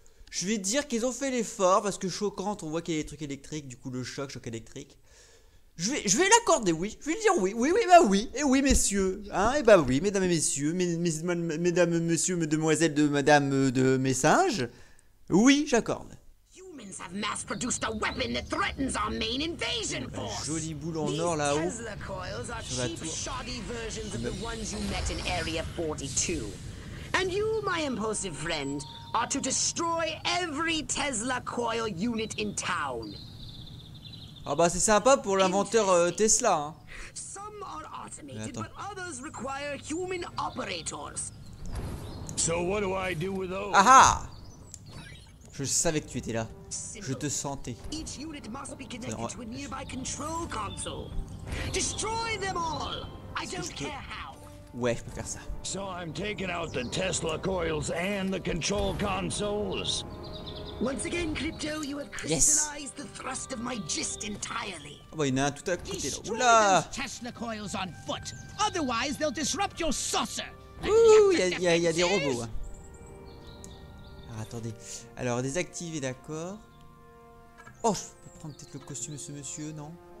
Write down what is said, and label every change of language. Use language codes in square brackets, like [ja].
[fr] Je vais dire qu'ils ont fait l'effort, parce que choquante, on voit qu'il y a des trucs électriques, du coup le choc électrique. Je vais l'accorder, oui, je vais dire oui, bah oui, et oui messieurs, hein, et bah oui, mesdames et messieurs, mesdames, messieurs, mesdemoiselles, de madame, de mes singes, oui, j'accorde. [en] Humans have mass-produced a weapon that threatens our main invasion force. [fr] Jolie boule en or là-haut. [en] These Tesla coils are cheap, shoddy versions of the ones you met in Area 42. And you, my impulsive friend, are to destroy every Tesla coil unit in town. [fr] Ah bah c'est sympa pour l'inventeur Tesla. Hein. [en] Some are automated, but others require human operators. So what do I do with those? [fr] Aha! Je savais que tu étais là. Je te sentais. [en] Each unit must be connected to a nearby control console. Destroy them all. I don't care how. [fr] Ouais, je peux faire ça. [en] So I'm taking out the Tesla coils and the control consoles. Once again, Crypto, you have crystallized the thrust of my gist entirely. [fr] Oh bah, il y en a un tout à côté là. Oula. [en] Tesla coils on foot. Otherwise, they'll disrupt your saucer. [fr] Ouh, y a des robots. Hein. Attendez, alors désactiver, d'accord. Oh, je peux prendre peut-être le costume de ce monsieur, non?